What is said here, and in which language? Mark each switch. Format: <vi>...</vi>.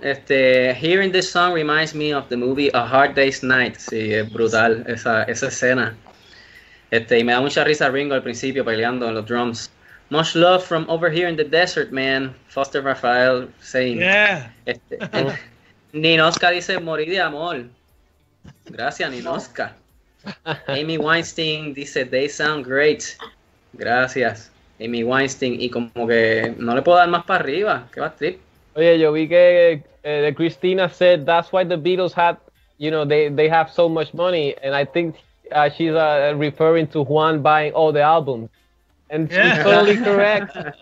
<en>Este, hearing this song reminds me of the movie A Hard Day's Night.</en> <es>Sí, es brutal esa escena. Este, y me da mucha risa Ringo al principio peleando en los drums.</es> <en>Much love from over here in the desert, man. Foster Raphael saying. Yeah.</en> <es>Este, Ninoska dice, morir de amor. Gracias, Ninoska. Amy Weinstein dice,</es> <en>they sound great.</en> <es>Gracias. Amy Weinstein, y como que no le puedo dar más para arriba, qué va a trip. Oye, yo vi que</es> <en>Christina said that's why the Beatles had, you know, they have so much money, and I think she's referring to Juan buying all the albums, and she's totally correct.</en>